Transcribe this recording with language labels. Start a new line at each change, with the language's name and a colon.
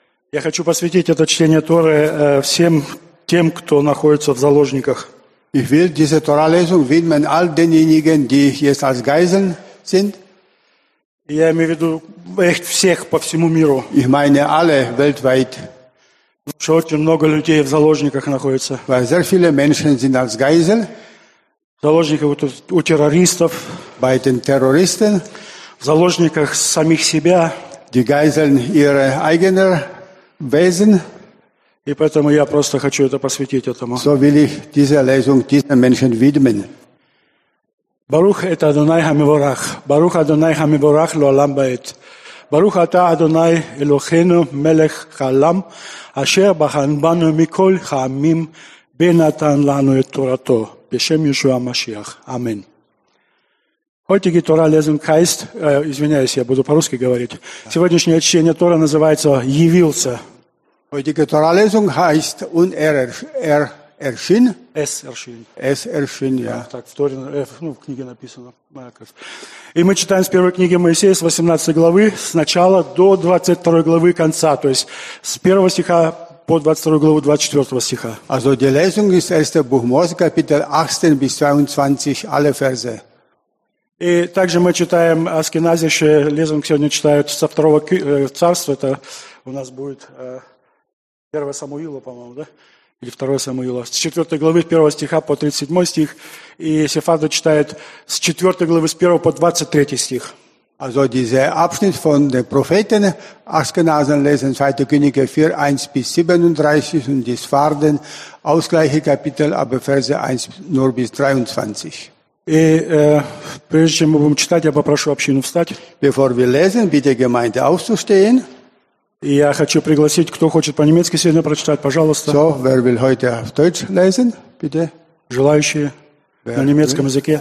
Russian: я хочу посвятить это чтение Торы всем тем, кто находится в заложниках.
German: Ich will diese Torah-Lesung widmen all denjenigen, die jetzt als Geiseln sind.
Russian: Я имею в виду
German: echt
Russian: всех по всему миру.
German: Ich meine alle weltweit.
Russian: Очень много людей в заложниках находится.
German: Weil sehr viele Menschen sind als Geisel.
Russian: В заложниках у террористов.
German: Bei den Terroristen.
Russian: В заложниках самих себя.
German: Die Geiseln ihre eigener Wesen.
Russian: И поэтому я просто хочу это посвятить этому.
German: So will ich diese Lesung diesen Menschen widmen.
Hebrew: Baruch et Adonai Hamivorach. Baruch Adonai Hamivorach lo alam bait. ברוך אתה אדוני אלוהינו מלך העולם אשר בחן בנו מכל העמים ונתן לנו את תורתו בשם ישוע המשיח אמן.
German: Heutige Torah-Lesung heißt,
Russian: извиняюсь, я буду по-русски говорить. Сегодняшнее чтение Торы называется явился.
German: Heutige Torah-Lesung heißt und erschien. Es erschien, ja.
Russian: Так, в Торе, в книге написано. И мы читаем с первой книги Моисея, с 18 главы, с начала до 22 главы конца, то есть с 1 стиха по 22 главу 24 стиха.
German: Also die Lesung ist 1. Buch Mose, Kapitel 18 bis 22, alle Verse.
Russian: И также мы читаем
German: Аскеназische Lesung,
Russian: сегодня читают со второго царства, это у нас будет 1 Самуила, по-моему, да? Или 2 Самуила, с 4 главы, с 1 стиха по 37 стих, и Сефарда читает с 4 главы, с 1 по 23 стих.
German: Also diese Abschnitt von den Propheten, Aschkenazen lesen 2. Könige 4, 1 bis 37 und die Sefarden, ausgleiche Kapitel, aber Verse 1 nur bis 23.
Russian: И прежде чем мы будем читать, я попрошу общину встать.
German: Bevor wir lesen, bitte Gemeinde aufzustehen.
Russian: И я хочу пригласить, кто хочет по-немецки сегодня прочитать, пожалуйста.
German: So, wer will heute auf Deutsch lesen, bitte?
Russian: Желающие
German: wer
Russian: на немецком
German: will
Russian: языке.